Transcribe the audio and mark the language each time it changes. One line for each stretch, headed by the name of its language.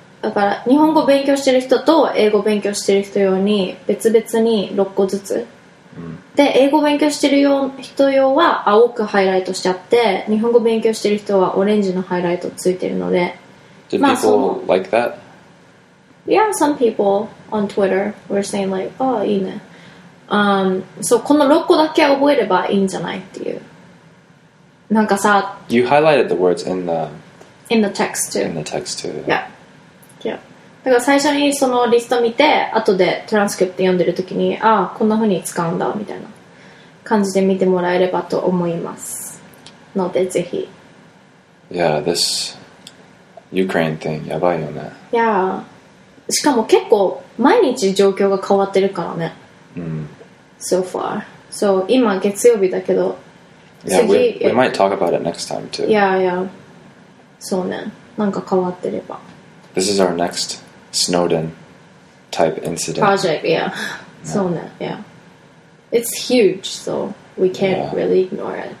Japanese: だから日本語勉強してる人と英語勉強してる人用に別々に6個ずつ、で英語勉強してる人用は青くハイライトしちゃって、日本語勉強してる人はオレンジのハイライトついてるので。
English: Did、
Japanese: まあ、
English: people like that? Yeah, some people on Twitter were saying like, oh,
Japanese: いいね。そう、この6個だけ覚えればいいんじゃないっていう。なんかさ、
English: You highlighted the words in the text too. In the text too. Yeah. Yeah.
Japanese: だから最初にそのリスト見て、後でトランスクリプト読んでるときに、ああこんな風に使うんだみたいな感じで見てもらえればと思いますので、ぜひ。
English: Yeah, this Ukraine thing
Japanese: やばいよね。
English: Yeah.
Japanese: しかも結構毎日状況が変わってるからね。
English: So far. So,
Japanese: 今月曜日だけど、
English: yeah,
Japanese: 次
English: we might talk about it next time too. Yeah, yeah.
Japanese: そうね。なんか変わってれば。
English: This is our next Snowden type incident. Project, yeah.
Japanese: そうね、
English: yeah. It's huge, so we can't really ignore it.